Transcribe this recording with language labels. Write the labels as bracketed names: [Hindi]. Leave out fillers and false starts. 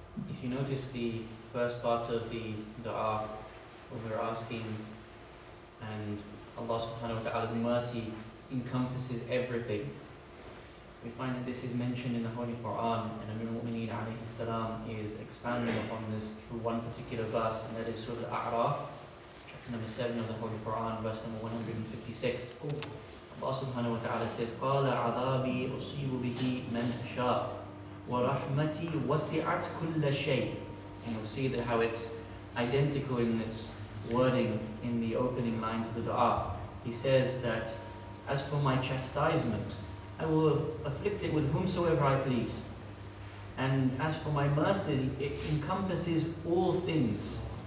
[English] If you notice the first part of the dua where we're asking and Allah subhanahu wa ta'ala's mercy encompasses everything, we find that this is mentioned in the Holy Quran, and Amir al-Mu'mineen alayhi salam is expanding upon this through one particular verse, and that is Surah Al-A'raf, chapter number 7 of the Holy Quran, verse number 156. [Arabic] Allah subhanahu wa ta'ala says, قَالَ عَذَابِي أُصِيبُ بِهِ مَنْ أَشَاءُ وَرَحْمَتِي وَسِعَتْ كُلَّ شَيْءٍ. [English] And we'll see that how it's identical in its wording in the opening lines of the dua. He says that, as for my chastisement, I will afflict it with whomsoever I please. And as for my mercy, it encompasses all things.